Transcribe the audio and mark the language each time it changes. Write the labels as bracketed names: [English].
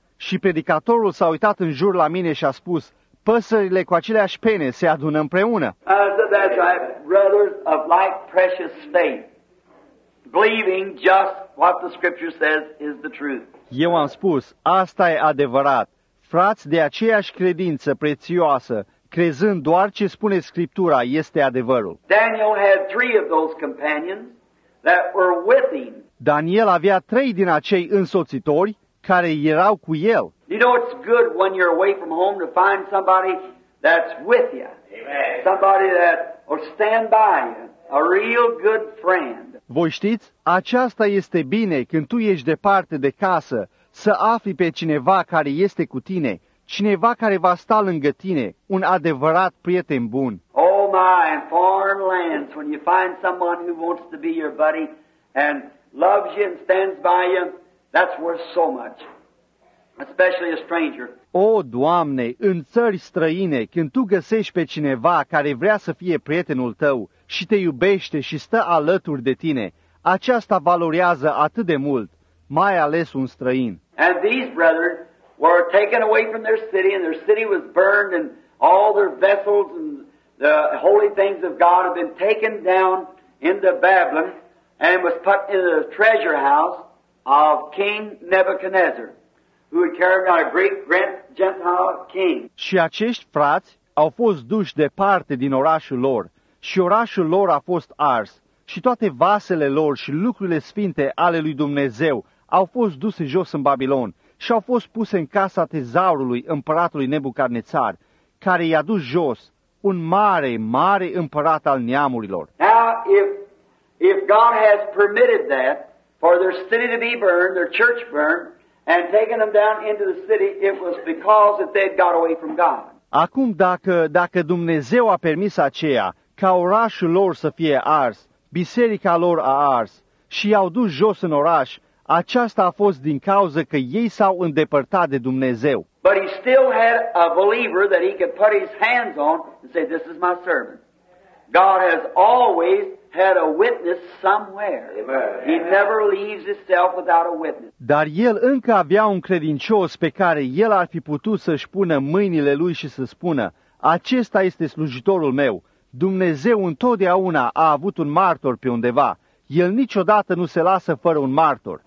[Romanian] Și predicatorul s-a uitat în jur la mine și a spus, păsările cu aceleași pene se adună împreună. [English] So that's right, brothers of like precious faith, believing just what the Scripture says is the truth. [Romanian] Eu am spus, asta e adevărat, frați de aceeași credință prețioasă, crezând doar ce spune Scriptura, este adevărul. [English] Daniel had three of those companions that were with him. [Romanian] Daniel avea trei din acei însoțitori care erau cu el. [English] You know, it's good when you're away from home to find somebody that's with you. Amen. Somebody that will stand by you. A real good friend. [Romanian] Voi știți, aceasta este bine când tu ești departe de casă, să afli pe cineva care este cu tine, cineva care va sta lângă tine, un adevărat prieten bun. Oh, [English] my, in foreign lands, when you find someone who wants to be your buddy and loves you and stands by you, that's worth so much, especially a stranger. [Romanian] O, Doamne, în țări străine, când Tu găsești pe cineva care vrea să fie prietenul Tău și Te iubește și stă alături de Tine, aceasta valorează atât de mult, mai ales un străin. [English] And these brethren were taken away from their city, and their city was burned, and all their vessels and the holy things of God had been taken down into Babylon and was put in the treasure house of King Nebuchadnezzar, who had carried out a great Gentile king. [Romanian] Și acești frați au fost duși departe din orașul lor, și orașul lor a fost ars, și toate vasele lor și lucrurile sfinte ale lui Dumnezeu au fost duse jos în Babilon și au fost puse în casa tezaurului împăratului Nebucadnețar, care i-a dus jos, un mare, mare împărat al neamurilor. [English] Now, if God has permitted that, for their city to be burned, their church burned, and taken them down into the city, it was because that they had got away from God. [Romanian] Acum, dacă Dumnezeu a permis aceea, ca orașul lor să fie ars, biserica lor a ars, și i-au dus jos în oraș, aceasta a fost din cauza că ei s-au îndepărtat de Dumnezeu. [English] But he still had a believer that he could put his hands on and say, this is my servant. God has always had a witness somewhere. Amen. He never leaves himself without a witness. [Romanian] Dar el încă avea un credincios pe care el ar fi putut să-și pună mâinile lui și să spună, acesta este slujitorul meu. Dumnezeu întotdeauna a avut un martor pe undeva. El niciodată nu se lasă fără un martor.